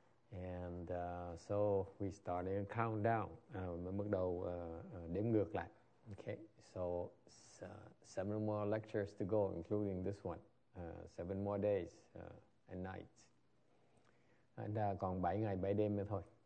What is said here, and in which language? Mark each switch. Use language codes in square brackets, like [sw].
[en] And so we started a countdown, [vi] bắt đầu đếm ngược lại. [en] Okay, so seven more lectures to go, including this one. Seven more days and nights. [vi] And còn 7 ngày 7 đêm nữa thôi.